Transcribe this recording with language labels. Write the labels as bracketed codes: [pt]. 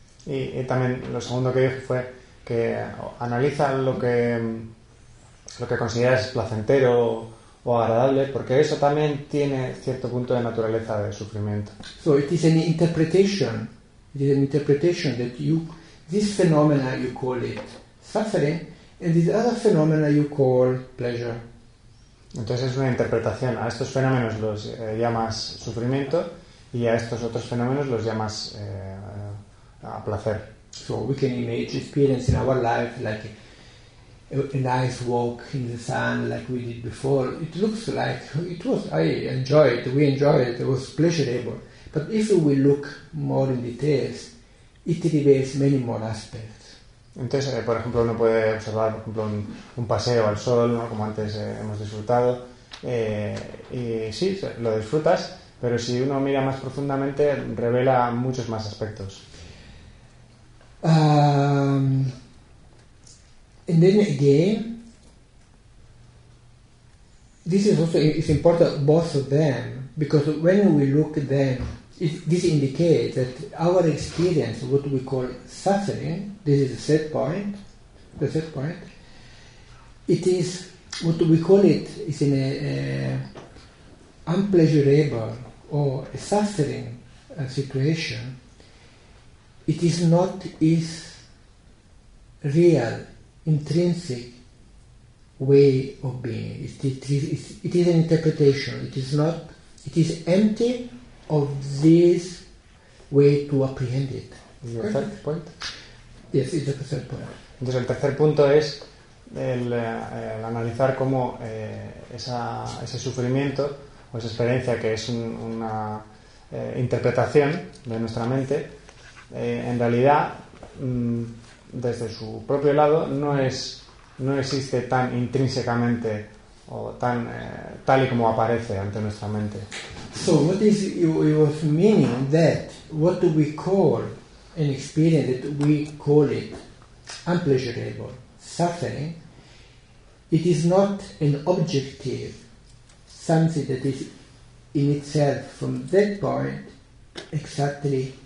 [es] Y también lo segundo que dije fue que analiza lo que consideras placentero o agradable, porque eso también tiene cierto punto de naturaleza de sufrimiento. [en] So it is an interpretation. It is an interpretation that you, this phenomena you call it suffering, and this other phenomena you call pleasure. [es] Entonces es una interpretación. A estos fenómenos los llamas sufrimiento y a estos otros fenómenos los llamas a placer. [en] So we can image experience in our life like a nice walk in the sun, like we did before. It looks like it was. I enjoyed it. We enjoyed it. It was pleasurable. But if we look more in details, it reveals many more aspects. [es] Entonces, por ejemplo, uno puede observar, por ejemplo, un paseo al sol, ¿no? Como antes hemos disfrutado. Y sí, lo disfrutas. Pero si uno mira más profundamente, revela muchos más aspectos. [en] And then again, this is also it's important both of them, because when we look at them, this indicates that our experience, what we call suffering, this is the set point. It is what we call it is in a unpleasurable or a suffering situation. It is not its real, intrinsic way of being. It is an interpretation. It is not. It is empty of this way to apprehend it. [es] ¿Y el tercer point? [en] Yes, it's the third point. [es] Entonces el tercer punto es el analizar cómo ese sufrimiento o esa experiencia que es una interpretación de nuestra mente. En realidad, desde su propio lado, no existe tan intrínsecamente o tan tal y como aparece ante nuestra mente. [en] So what is it was meaning that what do we call an experience that we call it unpleasurable suffering? It is not an objective something that is in itself from that point exactly.